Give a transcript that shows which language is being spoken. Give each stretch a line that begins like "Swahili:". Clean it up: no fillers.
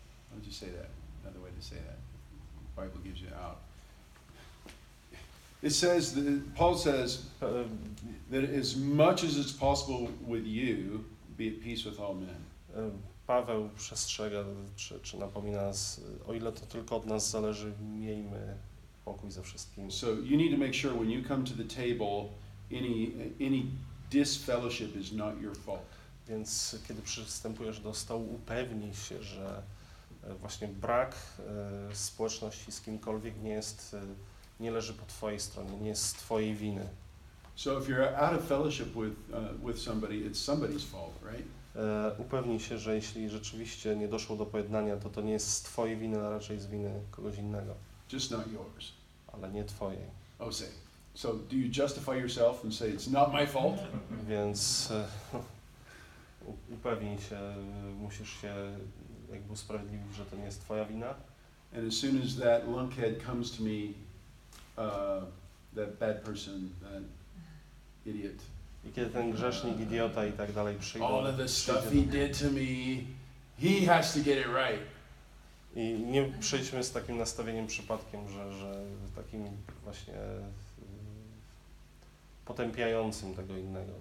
English: How did you say that? Another way to say that. The Bible gives you out. It says that Paul says that as much as it's possible with you, be at peace with all men.
Polish: Paweł przestrzega, czy napomina nas, o ile to tylko od nas zależy, miejmy pokój ze wszystkim.
English: So you need to make sure when you come to the table, any disfellowship is not your fault.
Polish: Więc kiedy przystępujesz do stołu, upewnij się, że właśnie brak społeczności z kimkolwiek nie leży po twojej stronie, nie jest z twojej winy.
English: So if you're out of fellowship with somebody, it's somebody's fault, right?
Polish: Upewnij się, że jeśli rzeczywiście nie doszło do pojednania, to nie jest z twojej winy, a raczej z winy kogoś innego.
English: Just not yours.
Polish: Ale nie twojej.
English: Oh, say. So do you justify yourself and say it's not my fault?
Polish: Więc upewnij się, musisz się jakby usprawiedliwić, że to nie jest twoja wina.
English: And as soon as that lunkhead comes to me, that bad person, that idiot.
Polish: I kiedy ten grzesznik, idiota i tak dalej przyjdzie.
English: All of the stuff he did to me, he has to get it right.
Polish: I nie przyjdźmy z takim nastawieniem przypadkiem, że takim właśnie potępiającym tego innego.